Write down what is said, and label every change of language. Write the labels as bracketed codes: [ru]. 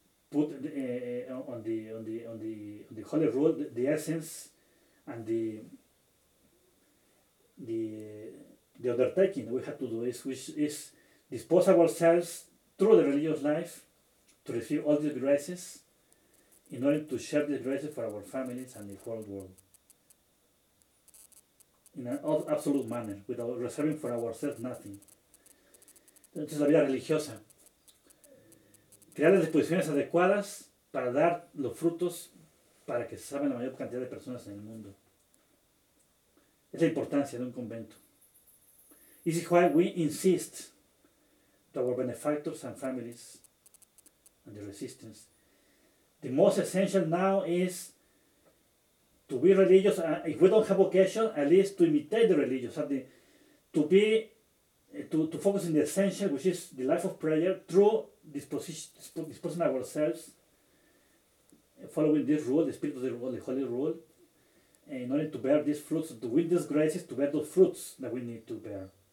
[en] put on the Holy Rule the essence and the undertaking we have to do is, which is dispose ourselves through the religious life to receive all these graces in order to share these graces for our families and the whole world in an absolute manner, without reserving for ourselves nothing. [es] Entonces, la vida religiosa. Crear las disposiciones adecuadas para dar los frutos para que se salven la mayor cantidad de personas en el mundo. Es la importancia de un convento. [en] This is why we insist to our benefactors and families and the resistance. The most essential now is to be religious, if we don't have vocation, at least to imitate the religious, and to focus in the essential, which is the life of prayer, through disposing ourselves, following this rule, the spirit of the rule, the holy rule, in order to bear these fruits, to win these graces, to bear those fruits that we need to bear.